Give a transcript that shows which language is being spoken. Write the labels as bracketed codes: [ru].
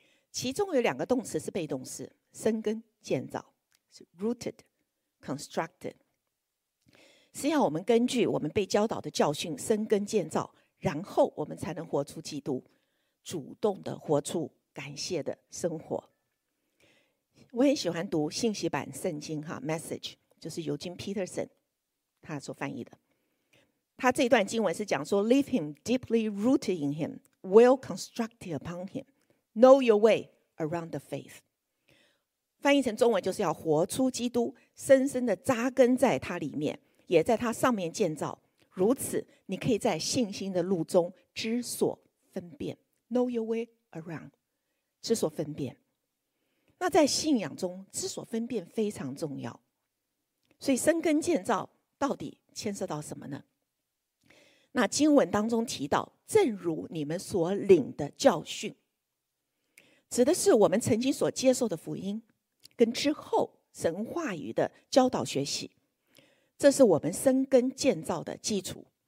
[zh] 其中有两个动词是被动式，生根、建造，是 [en] rooted、constructed， [zh] 是要我们根据我们被教导的教训生根建造，然后我们才能活出基督，主动的活出感谢的生活。我很喜欢读信息版圣经哈 Message， 就是尤金 Peterson 他所翻译的。他这段经文是讲说 [en] Leave him deeply rooted in him, well constructed upon him, know your way around the faith。 [zh] 翻译成中文就是要活出基督，深深的扎根在他里面，也在他上面建造，如此你可以在信心的路中知所分辨。 [en] Know your way around， [zh] 知所分辨。那在信仰中知所分辨非常重要，所以生根建造到底牵涉到什么呢？那经文当中提到，正如你们所领的教训，指的是我们曾经所接受的福音跟之后神话语的教导学习，这是我们生根建造的基础。